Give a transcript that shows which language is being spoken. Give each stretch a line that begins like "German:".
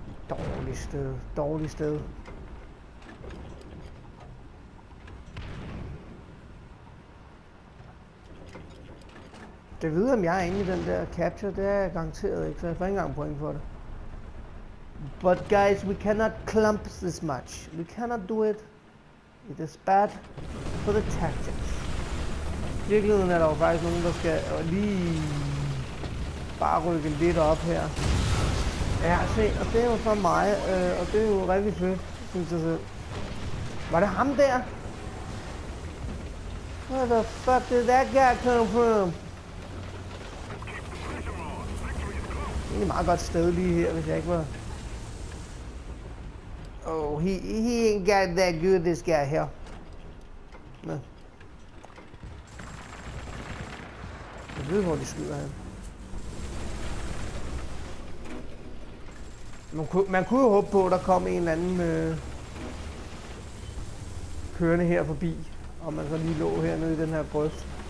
Danish: Dårlig sted. Dårlig sted. Det ved, om jeg er inde i den der capture, det er jeg garanteret ikke. Så jeg får ikke engang point for det.
English: But guys, we cannot clump this much. We cannot do it. It is bad for the tactics.
Danish: Virkeligheden er der jo faktisk nogen, der skal lige bare rykke lidt op her. Ja, se, og det er jo for mig, og det er jo rigtig fedt, synes jeg selv. Var det ham der?
English: Where the fuck did that guy come from?
Danish: Det er meget godt sted lige her, hvis jeg ikke var...
English: Oh, he ain't got that good, this guy here.
Danish: Men... Jeg ved, hvor de skyder ham. Man kunne jo håbe på, at der kom en eller anden kørende her forbi, og man så lige lå hernede i den her grøft.